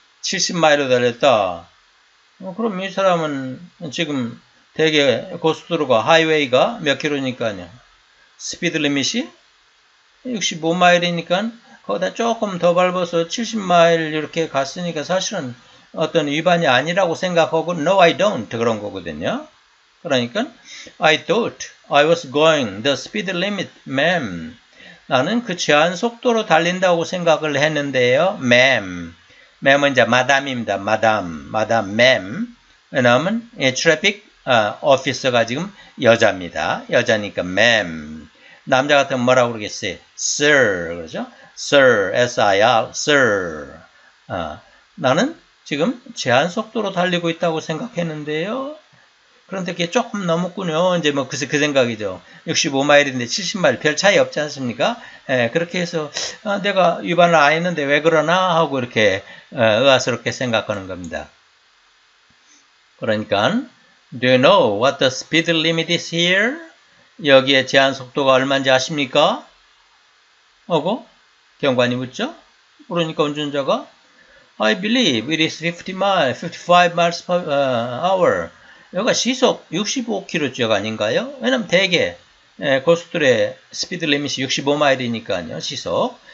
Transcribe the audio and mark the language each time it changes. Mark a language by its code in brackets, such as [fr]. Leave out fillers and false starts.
[ko] 70마일로 달렸다. 그럼 이 사람은 지금 대개 고속도로가 하이웨이가 몇 킬로니까요. 스피드 리밋이 65마일이니까 거기다 조금 더 밟아서 70마일 이렇게 갔으니까 사실은 어떤 위반이 아니라고 생각하고 [en] No, I don't [ko] 그런 거거든요. 그러니까 [en] I thought I was going the speed limit, ma'am. [ko] 나는 그 제한 속도로 달린다고 생각을 했는데요, ma'am. 맴은 이제 마담입니다. 마담, 맴. 왜냐하면 이 트래픽 오피서가 지금 여자입니다. 여자니까 맴. 남자 같으면 뭐라고 그러겠어요? [en] Sir, [ko] 그렇죠? [en] Sir, S-I-R, Sir. [ko] 나는 지금 제한 속도로 달리고 있다고 생각했는데요. 그런데 그게 조금 넘었군요. 이제 뭐그 생각이죠. 65마일인데 70마일 별 차이 없지 않습니까? 예, 그렇게 해서 내가 위반을 안 했는데 왜 그러나 하고 이렇게 의아스럽게 생각하는 겁니다. 그러니까 [en] Do you know what the speed limit is here? [ko] 여기에 제한 속도가 얼마인지 아십니까? 하고 경관이 묻죠. 그러니까 운전자가 [en] I believe it is 55 miles per hour. [ko] 여기가 시속 65km 지역 아닌가요? 왜냐면 대개 고속도로의 스피드 리밋이 65마일이니까요, 시속.